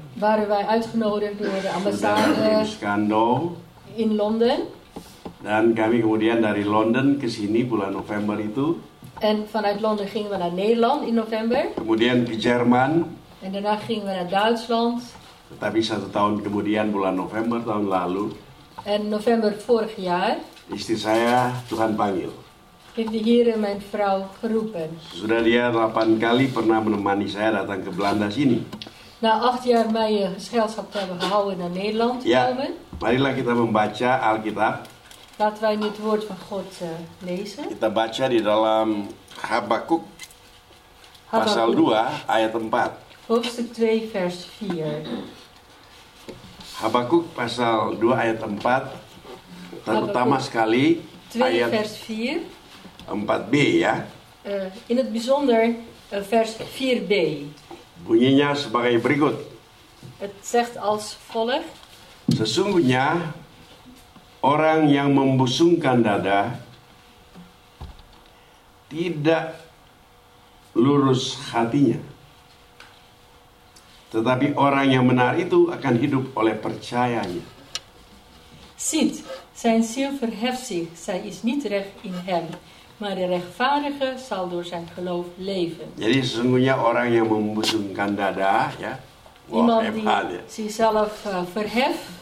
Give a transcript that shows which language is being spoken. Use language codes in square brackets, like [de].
[nl] Waren wij uitgenodigd door de ambassade in London. [id] Dan kami kemudian dari London ke sini bulan November itu. [nl] En vanuit Londen gingen we naar Nederland in November. [id] Kemudian ke Jerman. [nl] En daarna gingen we naar Duitsland. [id] Tetapi satu tahun kemudian bulan November tahun lalu. [nl] En november vorig jaar. [id] Istri saya Tuhan panggil. [nl] Heeft de Heer mijn vrouw geroepen. [id] Sudah dia 8 kali pernah menemani saya datang ke Belanda sini. [nl] Na 8 jaar mij gezelschap te hebben gehouden naar Nederland te komen. [id] Marilah kita membaca Alkitab. [nl] Laten wij nu het woord van God lezen. [id] Kita baca di dalam Habakuk pasal 2 ayat 4. [nl] Hoofdstuk 2 vers 4. [id] Habakuk pasal 2 ayat 4 terutama sekali 2 ayat vers 4 4b ya. [nl] In het bijzonder vers 4b. [id] Bunyinya sebagai berikut. [nl] Het zegt als volgt. [id] Sesungguhnya orang yang membusungkan dada tidak lurus hatinya. Tetapi orang yang benar itu akan hidup oleh percayanya. [nl] Ziet, zijn ziel verheft zich, zij is niet recht in hem, maar de rechtvaardige zal door zijn geloof leven. [id] Jadi sesungguhnya orang yang membusungkan dada, ya. [nl] Iemand die zichzelf verheft.